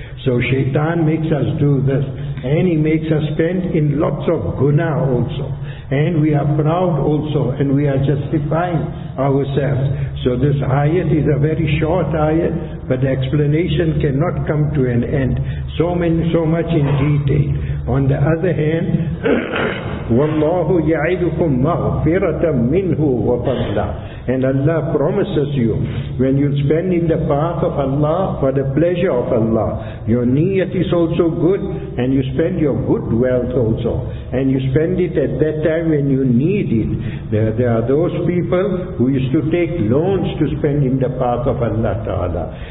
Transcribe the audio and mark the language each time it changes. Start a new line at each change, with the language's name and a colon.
English: So shaitan makes us do this, and he makes us spend in lots of guna also, and we are proud also, and we are justifying ourselves. So this ayat is a very short ayat, but the explanation cannot come to an end, so much in detail.
Arabic: On the other hand, وَاللَّهُ يَعِدُكُمْ مَغْفِرَةً مِّنْهُ وَفَضْلًا.
English: And Allah promises you, when you spend in the path of Allah, for the pleasure of Allah, your niyat is also good, and you spend your good wealth also, and you spend it at that time when you need it. There are those people who used to take loans to spend in the path of Allah Ta'ala.